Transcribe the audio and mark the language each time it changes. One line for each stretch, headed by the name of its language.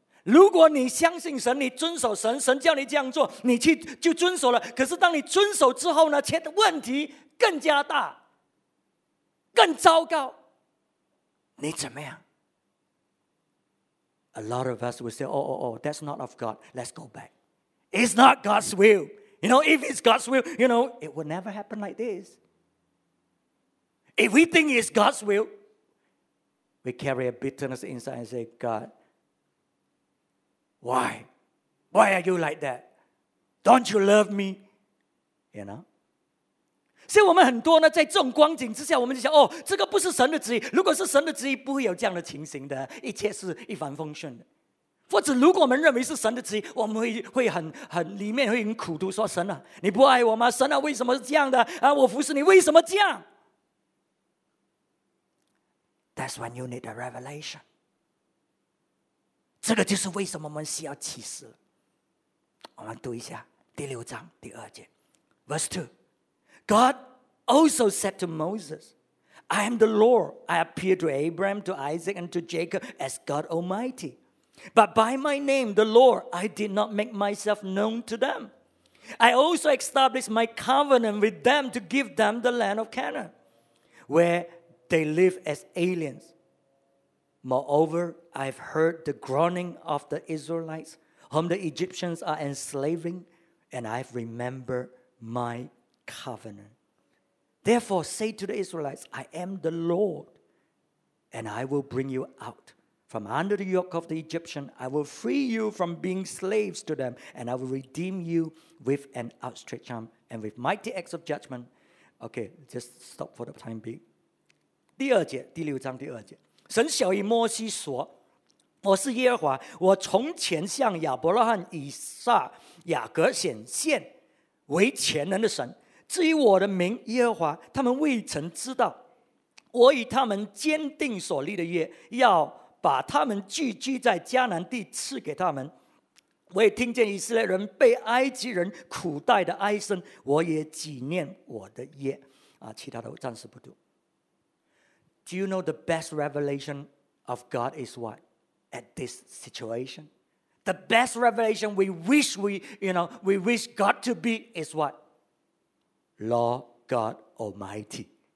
Chinese: 如果你相信神，你遵守神，神叫你这样做，你去就遵守了。可是当你遵守之后呢，却问题更加大，更糟糕。你怎么样？
English: A lot of us will say, oh, that's not of God. Let's go back. It's not God's will. You know, if it's God's will, you know, it will never happen like this. If we think it's God's will, we carry a bitterness inside and say, God, why? Why are you like that? Don't you love me? You know?
Chinese: 所以我们很多呢，在这种光景之下，我们就想，哦，这个不是神的旨意。如果是神的旨意，不会有这样的情形的，一切是一帆风顺的。或者如果我们认为是神的旨意，我们会很里面会很苦读，说神啊，你不爱我吗？神啊，为什么是这样的啊？我服侍你，为什么这样？
English: That's when you need a revelation.
Chinese: 这个就是为什么我们需要启示。我们读一下第六章第二节
English: Verse 2. God also said to Moses, I am the Lord. I appeared to Abraham, to Isaac, and to Jacob as God Almighty. But by my name, the Lord, I did not make myself known to them. I also established my covenant with them to give them the land of Canaan, where they live as aliens. Moreover, I've heard the groaning of the Israelites, whom the Egyptians are enslaving, and I've remembered my covenant. Therefore, say to the Israelites, I am the Lord, and I will bring you out from under the yoke of the Egyptian. I will free you from being slaves to them, and I will redeem you with an outstretched arm and with mighty acts of judgment. Okay, just stop for the time being.
Chinese: 第二节，第六章第二节，神晓谕摩西说，我是耶和华，我从前向亚伯拉罕、以撒、雅各显现为全能的神，至于我的名耶和华，他们未曾知道。我与他们坚定所立的约，要把他们聚居在迦南地赐给他们。我也听见以色列人被埃及人苦待的哀声，我也纪念我的约。其他的我暂时不读。
English: Do you know the best revelation of God is what? At this situation? The best revelation we wish God to be is what? Lord God Almighty.